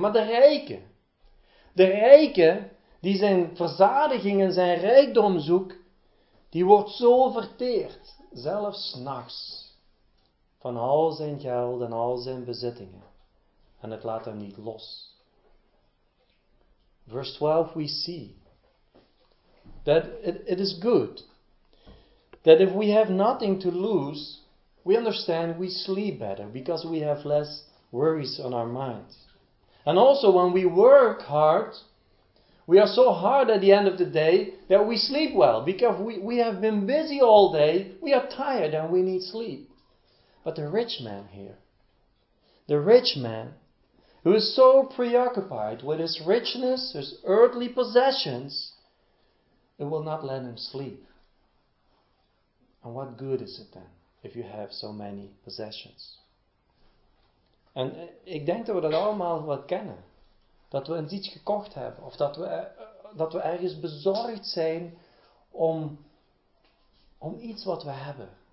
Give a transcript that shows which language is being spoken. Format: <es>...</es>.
<nl>Maar de rijken die zijn verzadiging en zijn rijkdom zoekt, die wordt zo verteerd, zelfs 's nachts, van al zijn geld en al zijn bezittingen. En het laat hem niet los.</nl> <en>Verse 12 we see that it is good that if we have nothing to lose, we understand we sleep better because we have less worries on our mind. And also when we work hard, we are so hard at the end of the day that we sleep well because we have been busy all day, we are tired and we need sleep. But the rich man, who is so preoccupied with his richness, his earthly possessions, it will not let him sleep. And what good is it then, if you have so many possessions?</en> <nl>En ik denk dat we dat allemaal wel kennen. Dat we eens iets gekocht hebben. Of dat we ergens bezorgd zijn om iets wat we hebben.</nl>